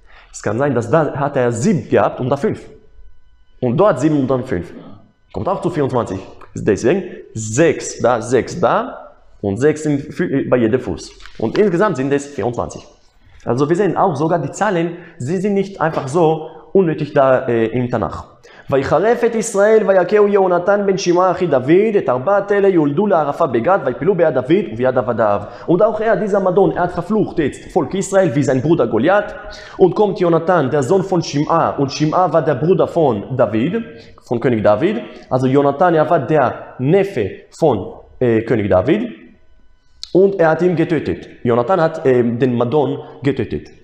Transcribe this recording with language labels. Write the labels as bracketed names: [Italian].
[German] Es kann sein, dass da hat er 7 gehabt und da 5. Und dort 7 und dann 5. Kommt auch zu 24. Deswegen 6 da und 6 bei jedem Fuß. Und insgesamt sind es 24. Also wir sehen auch sogar die Zahlen, sie sind nicht einfach so unnötig da im Tanach. [Hebrew] ויחלף את ישראל ויקהו יהונתן בן שמעה אחי דוד את ארבעת אלה יולדו לערפה בגד ויפילו ביד דוד וביד עבדיו. [German] Und auch er, dieser Madon, er hat verflucht jetzt Volk Israel wie sein Bruder Goliath. Und kommt Jonathan, der Sohn von Shimah, und Shimah war der Bruder von David, von König David. Also Jonathan, er war der Neffe von König David. Und er hat ihn getötet. Jonathan hat den Madon getötet.